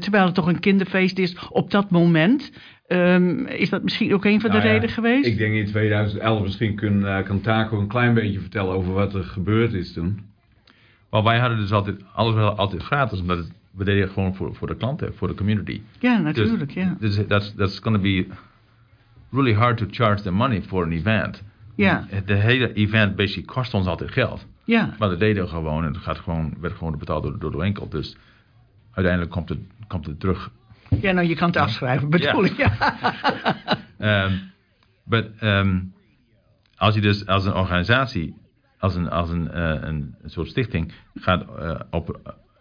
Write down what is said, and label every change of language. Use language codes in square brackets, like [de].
[nl] Terwijl het toch een kinderfeest is op dat moment. Is dat misschien ook een van de redenen geweest? Ik denk in 2011 misschien kan Taco een klein beetje vertellen over wat er gebeurd is toen. Maar wij hadden dus alles wel altijd gratis. Omdat we deden gewoon voor de klanten, voor de community. Ja, natuurlijk. [en] Dus that's going to be really hard to charge the money for an event. [nl] Ja. De hele event basically kost ons altijd geld. Ja. Maar dat deden we gewoon. En werd gewoon betaald door de winkel. Dus uiteindelijk komt het terug. Ja, nou, je kan het afschrijven, bedoel ik. Maar als je dus als een organisatie, als een soort stichting gaat op